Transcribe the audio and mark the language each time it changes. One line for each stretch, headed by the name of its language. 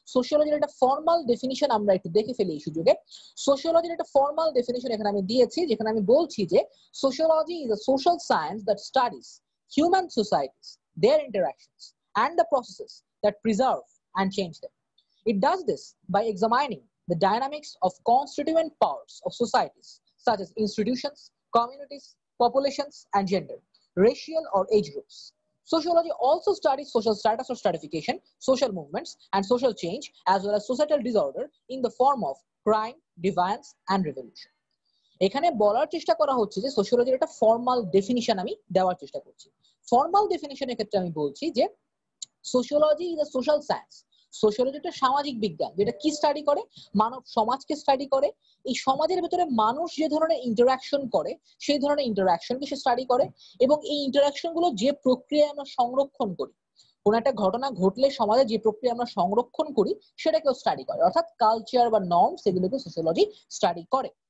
Bangla: সোশিওলজির একটা formal definition আমরা একটু দেখে ফেলি এই সুযোগে। সোশিওলজির একটা ফর্মাল ডেফিনিশন এখানে আমি দিয়েছি, যেখানে আমি বলছি যে
English: Sociology is a social science that studies human societies, their interactions and the processes that preserve and change them. It does this by examining the dynamics of constituent powers of societies such as institutions, communities, populations and gender, racial or age groups. Sociology also studies social status or stratification, social movements and social change as well as societal disorder in the form of crime, deviance and revolution.
Bangla: এখানে বলার চেষ্টা করা হচ্ছে যে সোশিওলজির একটা formal definition আমি দেওয়ার চেষ্টা করছি। ফর্মাল ডেফিনিশনের ক্ষেত্রে আমি বলছি যে
English: Sociology is a social science.
Bangla: Sociology একটা সামাজিক বিজ্ঞান যেটা কি স্টাডি করে, মানব সমাজকে স্টাডি করে, এই সমাজের ভিতরে মানুষ যে ধরনের ইন্টারাকশন করে সেই ধরনের ইন্টারাকশনকে সে স্টাডি করে এবং এই ইন্টারাকশন গুলো যে প্রক্রিয়া আমরা সংরক্ষণ করি, কোন একটা ঘটনা ঘটলে সমাজে যে প্রক্রিয়া আমরা সংরক্ষণ করি সেটাকেও স্টাডি করে, অর্থাৎ কালচার বা নর্ম সেগুলোকে সোশিওলজি স্টাডি করে।